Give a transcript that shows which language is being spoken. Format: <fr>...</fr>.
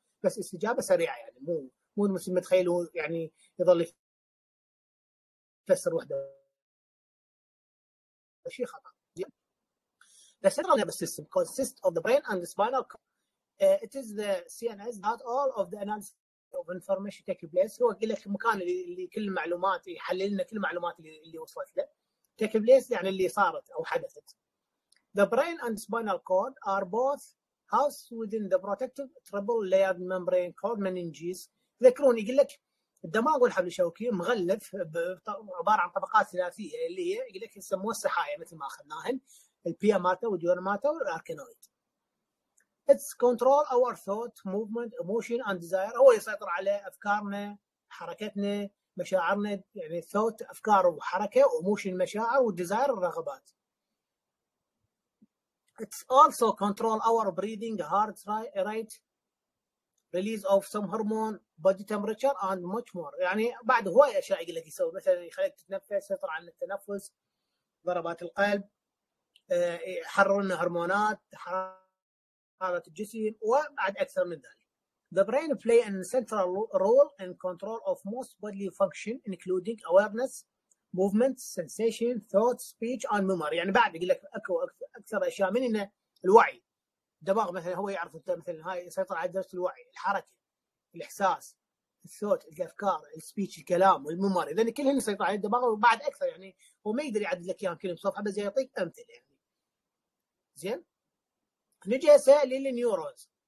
<ar>بس استجابه سريعه يعني مو مثل ما تخيلوا يعني يضل يفسر وحده شيء خطر زين. بس انا بس</ar> <en>السيستم consist of the brain and spinal it is the C N S that all of the analyse of information take place.</en> <ar>هو يقول لك المكان اللي كل المعلومات يحلل لنا كل المعلومات اللي وصلت له.</ar> <en>take place</en> <ar>يعني اللي صارت او حدثت.</ar> <en>the brain and spinal cord are both housed within the protective triple layered membrane called meninges.</en> <ar>ذكروني يقول لك الدماغ والحبل الشوكي مغلف عباره عن طبقات ثلاثيه اللي هي يقول لك يسموها السحايا مثل ما اخذناهن البياماتا والديورماتا والاركينويد.</ar> <en>It's control our thought, movement, emotion, and desire.</en> <ar>هو يسيطر على أفكارنا، حركتنا، مشاعرنا. يعني thought أفكار وحركة، emotion مشاعر، وdesire الرغبات.</ar> <en>It's also control our breathing, heart rate, release of some hormone, body temperature, and much more.</en> <ar>يعني بعد هو أشياء اللي يسوي مثلاً يخليك تتنفس، يسيطر على التنفس، ضربات القلب، يحررنا هرمونات، حاله الجسم وبعد اكثر من ذلك.</ar> <en>The brain play an central role in control of most bodily function including awareness, movement, sensation, thought, speech and memory.</en> <ar>يعني بعد يقول لك اكو اكثر اشياء من انه الوعي. الدماغ مثلا هو يعرف مثلا هاي يسيطر على درجه الوعي، الحركه، الاحساس، الثوت، الافكار، السبيتش، الكلام والميموري. لان كلهم يسيطر على الدماغ وبعد اكثر يعني هو ما يقدر يعدد لك اياهم كلهم صفحه بس يعطيك امثله يعني. زين؟ نجي هسه للنيورونز.</ar>